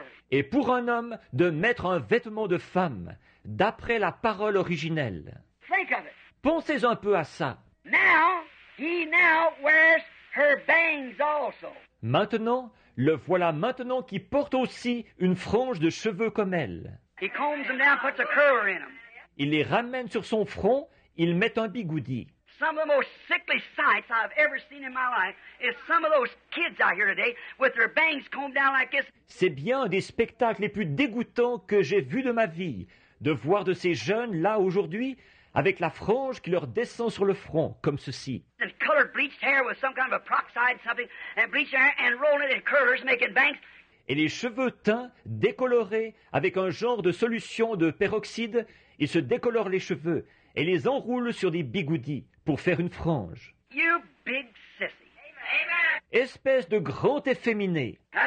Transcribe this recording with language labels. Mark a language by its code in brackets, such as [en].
[fr] Et pour un homme de mettre un vêtement de femme, d'après la parole originelle. [en] Think of it. [fr] Pensez un peu à ça. [en] Now, he now wears her bangs also. [fr] Maintenant, le voilà maintenant qui porte aussi une frange de cheveux comme elle. [en] He combs them down, puts a curler in them. [fr] Il les ramène sur son front. Il met un bigoudi. [en] Some of the most sickly sights I've ever seen in my life is some of those kids out here today with their bangs combed down like this. [fr] C'est bien un des spectacles les plus dégoûtants que j'ai vu de ma vie, de voir de ces jeunes là aujourd'hui avec la frange qui leur descend sur le front comme ceci. [en] They colored bleached hair with some kind of a peroxide something and bleached hair and rolling it in curlers making bangs. [fr] et les cheveux teints, décolorés, avec un genre de solution de peroxyde. Il se décolore les cheveux et les enroule sur des bigoudis pour faire une frange. [en] You big sissy. [fr] Espèce de grand efféminé.